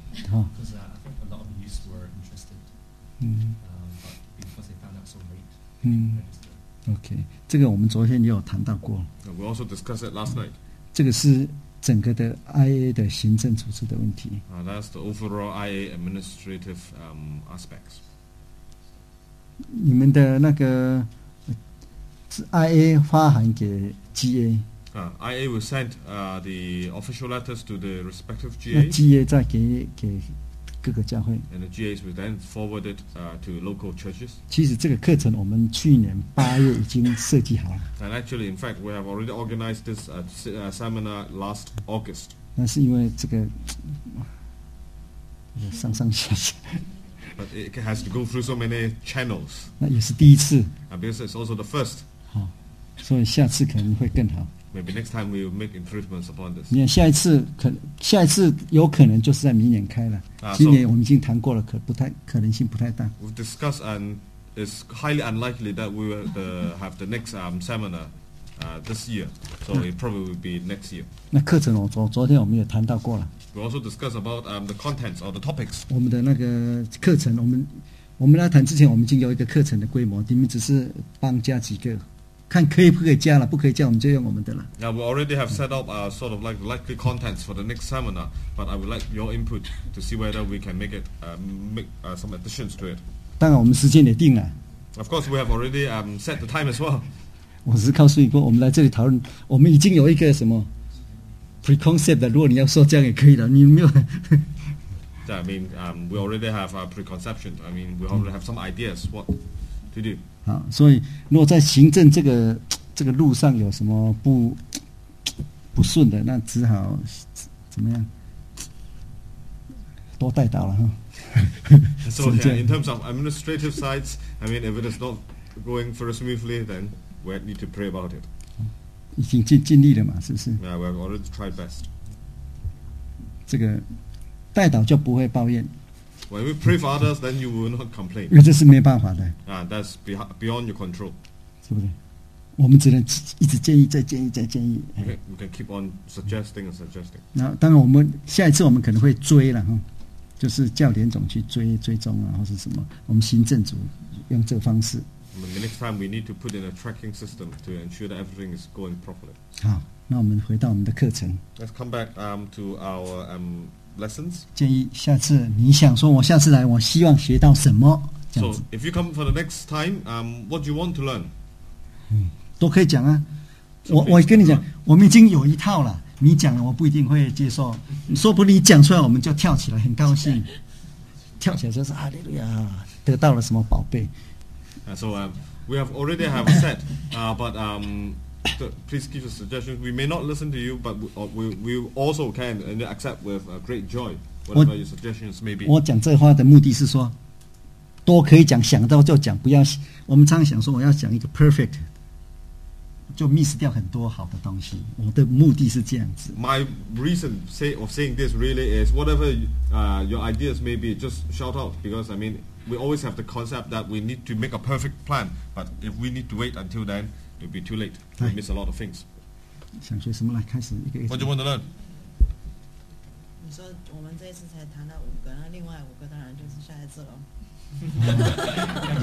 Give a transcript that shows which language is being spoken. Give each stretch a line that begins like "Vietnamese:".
English: Because I think a lot of youths were interested, but because they found out so late,
Chinese: Okay, 这个我们昨天也有谈到过。
English: We also discussed it last night.
Chinese: 这个是整个的 IA 的行政组织的问题。
English: That's the overall IA administrative aspects.
Chinese: 你们的那个 IA 发函给 GA。
English: IA will send the official letters to the respective GA.
Chinese: GA 再给各个教会。
English: And the GAs were then forwarded to local churches.
Chinese: 其实这个课程我们去年八月已经设计好了。
English: And actually, in fact, we have already organized this seminar last August.
Chinese: 那是因为这个上上下下。
English: But it has to go through so many channels.
Chinese: 那也是第一次。
English: And because it's also the first.
Chinese: 好，所以下次可能会更好。
English: Maybe next time we will make improvements upon this.
Chinese: 你看下一次可下一次有可能就是在明年开了。今年我们已经谈过了，可不太可能性不太大。
English: We've discussed and it's highly unlikely that we will have the next seminar this year. So it probably will be next year.
Chinese: 那课程昨天我们也谈到过了。
English: We also discussed about the contents or the topics.
Chinese: 我们的那个课程，我们来谈之前，我们已经有一个课程的规模，你们只是帮加几个。看可以不可以加了，不可以加我们就用我们的了。
English: Now we already have set up a sort of like likely contents for the next seminar, but I would like your input to see whether we can make it make some additions to it.
Chinese: 当然，我们时间也定了。
English: Of course, we have already set the time as well.
Chinese: 我只是告诉你说，我们来这里讨论，我们已经有一个什么 preconcept 的。如果你要说这样也可以的，你没有。
English: Yeah, I mean, we already have a preconception. I mean, we already have some ideas what to do.
Chinese: 所以如果在行政这个路上有什么不顺的，那只好怎么样多带到了哈。
English: So yeah, in terms of administrative sides, I mean, if it is not going very smoothly, then we need to pray about it.
Chinese: 已经尽力了嘛，是不是
English: ？Yeah, we have already tried best.
Chinese: 这个带到就不会抱怨。
English: When we pray for others, then you will not complain.
Chinese: 因为这是没办法的。
English: That's beyond your control.
Chinese: 是不是？我们只能一直建议，再建议，再建议。
English: We can keep on suggesting and suggesting.
Chinese: 那当然，我们下一次我们可能会追了哈，就是叫连总去追踪啊，或是什么，我们行政组用这个方式。
English: The next time we need to put in a tracking system to ensure that everything is going properly.
Chinese: 好，那我们回到我们的课程。
English: Let's come back to our lessons.
Chinese: 建议下次你想说，我下次来，我希望学到什么？这样子。
English: So if you come for the next time, what do you want to learn?
Chinese: 都可以讲啊。我跟你讲，我们已经有一套了。你讲了，我不一定会接受。说不定你讲出来，我们就跳起来，很高兴。跳起来就是哈利路亚，得到了什么宝贝
English: ？So we have already have said, but please give a suggestion. We may not listen to you, but we also can and accept with great joy whatever your suggestions may be.
Chinese: 我讲这话的目的是说，多可以讲，想到就讲，不要。我们常常想说，我要讲一个 perfect， 就 miss 掉很多好的东西。我的目的是这样子。
English: My reason of saying this really is whatever your ideas may be, just shout out because I mean we always have the concept that we need to make a perfect plan, but if we need to wait until then. It'll be too late. You'll miss a lot of things.
Chinese: 想学什么来开始一个一个。
English: What do you want to learn?
Chinese: 你说我们这一次才谈到五个，那另外五个当然就是下一次了。